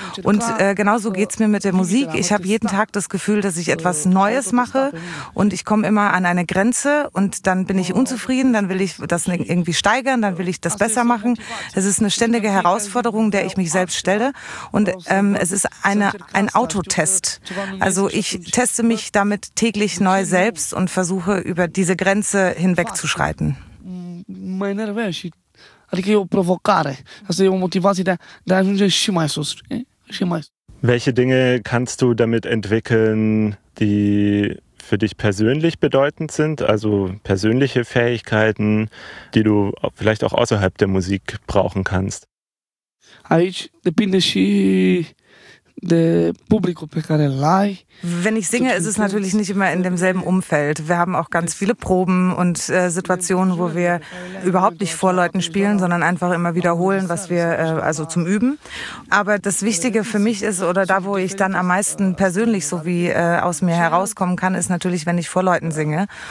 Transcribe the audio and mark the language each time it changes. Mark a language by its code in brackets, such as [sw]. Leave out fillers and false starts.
[de] Und genauso geht es mir mit der Musik. Ich habe jeden Tag das Gefühl, dass ich etwas Neues mache und ich komme immer an eine Grenze und dann bin ich unzufrieden, dann will ich das irgendwie steigern, dann will ich das besser machen. Es ist eine ständige Herausforderung, der ich mich selbst stelle. Und es ist ein Autotest. Also ich teste mich damit täglich neu selbst und versuche, über diese Grenze hinwegzuschreiten. [ro] Mă enervez și, adică e o provocare. Asta e o motivație de a ajunge și mai sus. Și mai sus. [de] Welche Dinge kannst du damit entwickeln, die für dich persönlich bedeutend sind? Also persönliche Fähigkeiten, die du vielleicht auch außerhalb der Musik brauchen kannst? [ro] Aici depinde și de publicul pe care îl ai. [de] Wenn ich singe, ist es natürlich nicht immer in demselben Umfeld. Wir haben auch ganz viele Proben und Situationen, wo wir überhaupt nicht vor Leuten spielen, sondern einfach immer wiederholen, was wir also zum Üben. Aber das Wichtige für mich ist, oder da, wo ich dann am meisten persönlich so wie aus mir herauskommen kann, ist natürlich, wenn ich vor Leuten singe.